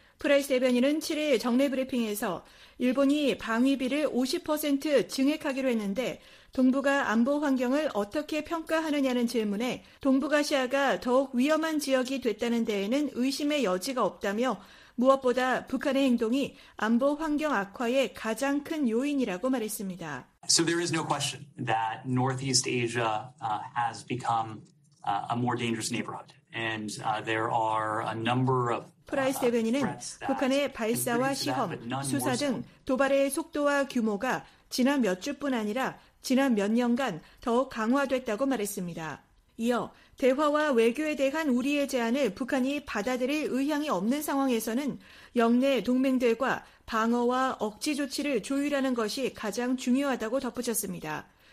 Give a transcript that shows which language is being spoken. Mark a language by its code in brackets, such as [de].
[ko] 프라이스 대변인은 7일 정례 브리핑에서 일본이 방위비를 50% 증액하기로 했는데 동북아 안보 환경을 어떻게 평가하느냐는 질문에 동북아시아가 더욱 위험한 지역이 됐다는 데에는 의심의 여지가 없다며 무엇보다 북한의 행동이 안보 환경 악화의 가장 큰 요인이라고 말했습니다. [en] So there is no question that Northeast Asia has become a more dangerous neighborhood. And there are a number of [ko] 프라이스 대변인은 북한의 발사와 시험, 수사 등 도발의 속도와 규모가 지난 몇 주뿐 아니라 지난 몇 년간 더욱 강화됐다고 말했습니다. 이어 대화와 외교에 대한 우리의 제안을 북한이 받아들일 의향이 없는 상황에서는 영내 동맹들과 방어와 억지 조치를 조율하는 것이 가장 중요하다고 덧붙였습니다.